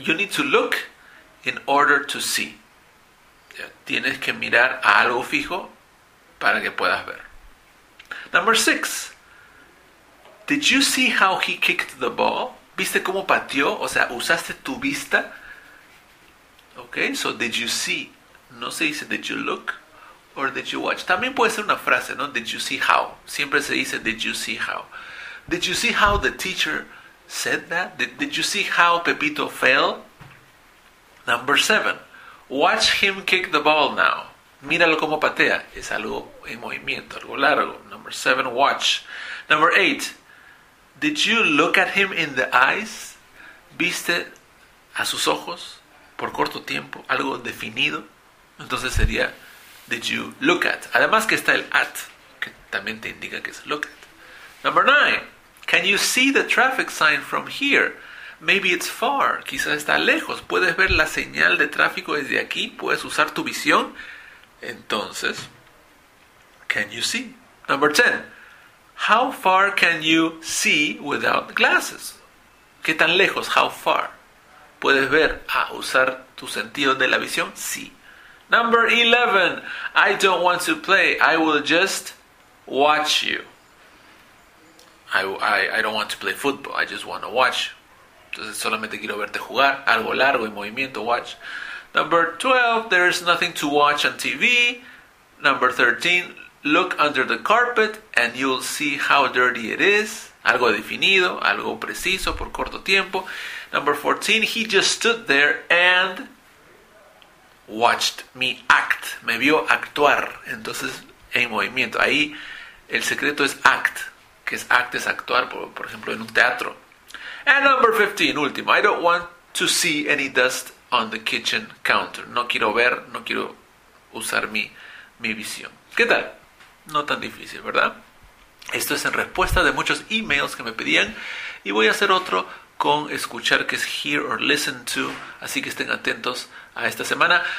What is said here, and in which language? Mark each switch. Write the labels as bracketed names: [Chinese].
[English] You need to look in order to see. [Spanish] Tienes que mirar a algo fijo para que puedas ver. [English] Number 6. Did you see how he kicked the ball? [Spanish] ¿Viste cómo pateó? O sea, usaste tu vista. [English] Ok, so did you see? [Spanish] No se dice [English] did you look or did you watch. [Spanish] También puede ser una frase, ¿no? [English] Did you see how? [Spanish] Siempre se dice [English] did you see how. Did you see how the teacher said that? Did you see how Pepito fell? Number 7. Watch him kick the ball now. [Spanish] Míralo cómo patea. Es algo en movimiento, algo largo. [English] Number 7, watch. Number 8. Did you look at him in the eyes? [Spanish] ¿Viste a sus ojos por corto tiempo, algo definido? Entonces sería, [English] did you look at? [Spanish] Además que está el at, que también te indica que es look at. [English] Number 9. Can you see the traffic sign from here? Maybe it's far. [Spanish] Quizás está lejos. ¿Puedes ver la señal de tráfico desde aquí? ¿Puedes usar tu visión? Entonces, [English] can you see? [Spanish] Number 10. [English] How far can you see without glasses? [Spanish] ¿Qué tan lejos? [English] How far? [Spanish] ¿Puedes ver a usar tu sentido de la visión? [English] Sí. Number 11. I don't want to play. I will just watch you. I don't want to play football. I just want to watch. [Spanish] Entonces solamente quiero verte jugar. Algo largo y movimiento. [English] Watch. Number 12. There's nothing to watch on TV. Number 13. Look under the carpet and you'll see how dirty it is. [Spanish] Algo definido, algo preciso por corto tiempo. [English] Number 14, he just stood there and watched me act. [Spanish] Me vio actuar. Entonces, en movimiento. Ahí el secreto es act. Que es act, es actuar, por ejemplo, en un teatro. [English] And number 15, último. I don't want to see any dust on the kitchen counter. [Spanish] No quiero ver, no quiero usar mi visión. ¿Qué tal? No tan difícil, ¿verdad? Esto es en respuesta de muchos emails que me pedían y voy a hacer otro con escuchar que es [English] hear or listen to, [Spanish] así que estén atentos a esta semana.